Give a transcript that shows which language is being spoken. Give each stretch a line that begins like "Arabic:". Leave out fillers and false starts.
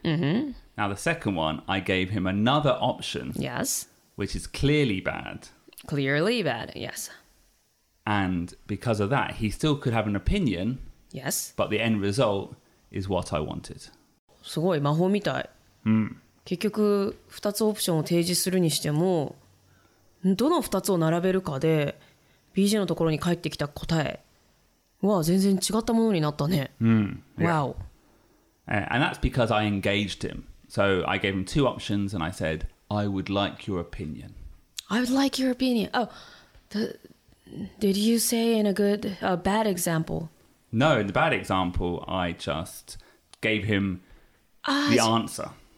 English: Mm-hmm. Now the second one, I gave him another option. Yes. Which is clearly bad. Clearly bad, yes. And because of that, he still could have an opinion... Yes. But the end result is what I wanted.
Japanese: すごい魔法みたい。
English: Mm.
Japanese: 結局2つオプションを提示するにしても、どの2つを並べるかで BJ のところに返ってきた答えは全然違ったものになったね。
English: Mm. Yeah. Wow. And that's because I engaged him. So I gave him two options and I said, I would like your opinion. I would like your opinion. Oh, did you say in a good, a bad example? No, in the bad example, I just gave him the answer.